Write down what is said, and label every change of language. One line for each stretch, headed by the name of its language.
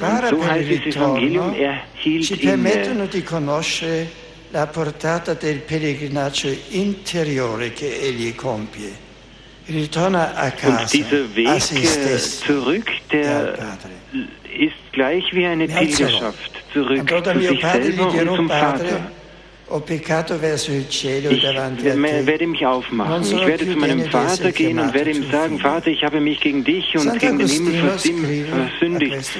German: Und so heißt es im Evangelium, er hielt ihn.
Italian: La portata del pellegrinaggio interiore che egli compie. Ritorna a casa.
German: Und dieser Weg zurück, der ist gleich wie eine Pilgerschaft zurück zu sich selber und zum Vater. Ich werde mich aufmachen. Ich werde zu meinem Vater gehen und werde ihm sagen, Vater, ich habe mich gegen dich und gegen den Himmel versündigt.